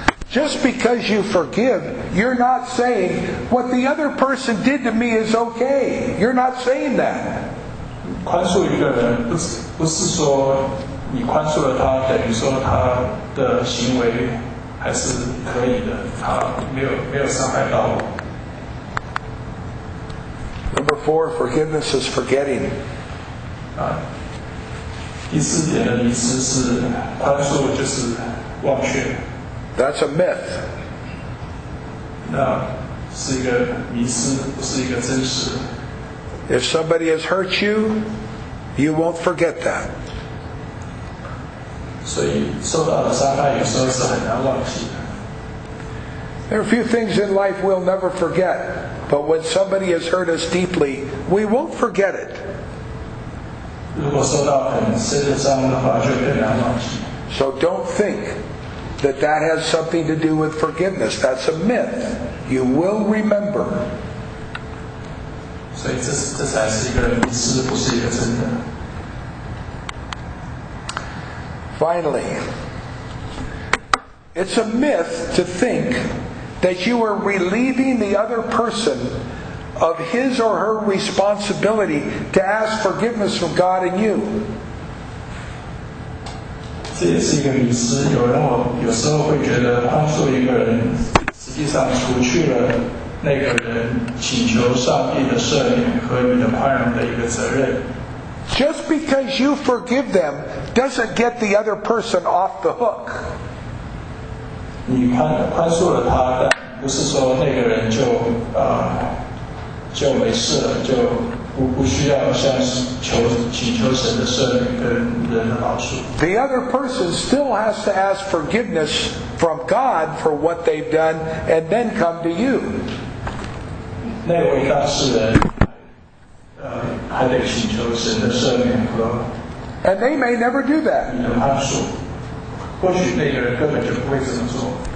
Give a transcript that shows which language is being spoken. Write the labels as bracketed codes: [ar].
[en] Just because you forgive, you're not saying what the other person did to me is okay. You're not saying that. [zh] 宽恕一个人不是说你宽恕了他，等于说他的行为还是可以的，他没有伤害到我。 [en] Number four, forgiveness is forgetting. [zh] 第四点的意思是宽恕就是忘却。 [en] That's a myth. [zh] 那是一个迷思，不是一个真实。 [en] If somebody has hurt you, you won't forget that. [zh] 所以受到的伤害有时候是很难忘记的。 [en] There are a few things in life we'll never forget, but when somebody has hurt us deeply, we won't forget it. [zh] 如果受到很深的伤的话，就更难忘记。 [en] So don't think that that has something to do with forgiveness. That's a myth. You will remember. [zh] 所以这才是一个迷思，不是一个真的。 [en] Finally, it's a myth to think. That you are relieving the other person of his or her responsibility to ask forgiveness from God and you. [zh] 这也是一个迷思。有时候会觉得宽恕一个人，实际上除去了那个人请求上帝的赦免和你的宽容的一个责任。 [en] Just because you forgive them doesn't get the other person off the hook. [zh] 你宽恕了他，但不是说那个人就没事了，就不需要向请求神的赦免跟人的饶恕。 [en] The other person still has to ask forgiveness from God for what they've done, and then come to you. [zh] 那位当事人，还得请求神的赦免和。 [en] And they may never do that. [zh] 你的宽恕。或许那个人根本就不会这么做。